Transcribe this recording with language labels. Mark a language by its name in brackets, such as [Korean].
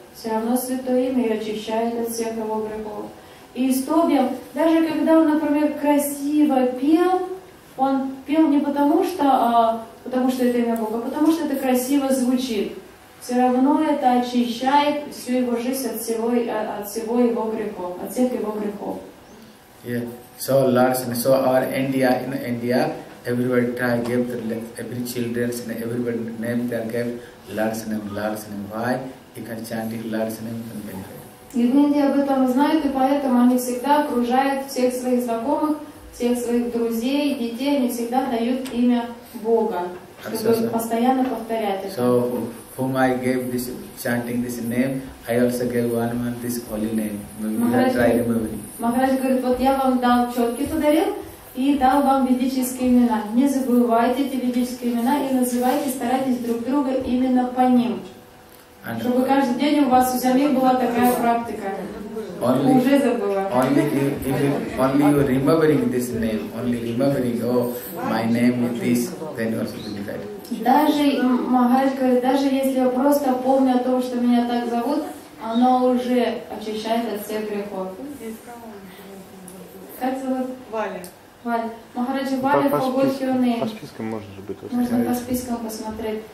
[Russian] Все равно святое имя и очищает от всех его грехов. И Стобиан, даже когда он, например, красиво пел, он пел не потому что, потому что это имя Бога, а потому что это красиво звучит. Все равно это очищает всю его жизнь от всего, его грехов, от всех его грехов. [English] Yeah. So Larson, so our India, in India, everybody try give the every children's and everybody name they give Larson name, Larson name. Why? You can chant it Larson name. [Russian] И в Индии об этом знают, и поэтому они всегда окружают всех своих знакомых, всех своих друзей, детей, они всегда дают имя Бога, чтобы постоянно повторять это. [English] So, whom I gave this chanting this name, I also gave one man this holy name. [Russian] Махарадж говорит, вот я вам дал четки подарил и дал вам ведические имена. Не забывайте эти ведические имена и называйте, старайтесь друг друга именно по ним. And чтобы каждый день у вас у земли была такая практика. [English] Only, [Russian] уже забыла. [English] Only you remembering this name, only remembering, oh, my name is this, then you also do that. [Russian] Даже Махарадж говорит, даже если я просто помню о том, что меня так зовут, оно уже очищает от всех грехов. Как зовут? Валя. Махараджи Валя по Гохи Унэй. По спискам может же быть. Можно по спискам посмотреть.